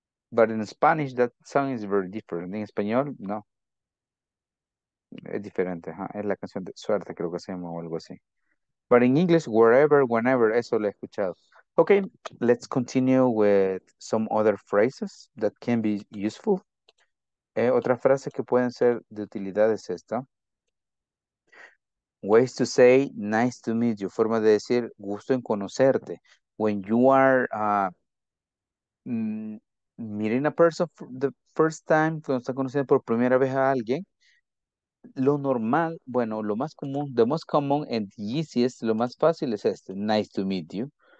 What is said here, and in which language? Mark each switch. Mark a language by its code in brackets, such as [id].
[en] But in Spanish, that song is very different. [es] En español, no. Es diferente, ¿eh? Es la canción de suerte, creo que se llama, o algo así. [en] But in English, wherever, whenever, [es] eso lo he escuchado. [en] Okay, let's continue with some other phrases that can be useful. [es] Otra frase que pueden ser de utilidad es esta. [en] Ways to say, nice to meet you. [es] Forma de decir, gusto en conocerte. [en] When you are meeting a person for the first time, [es] cuando está conociendo por primera vez a alguien, lo normal, bueno, lo más común, [en] the most common and easiest, [es] lo más fácil es este, [en] nice to meet you.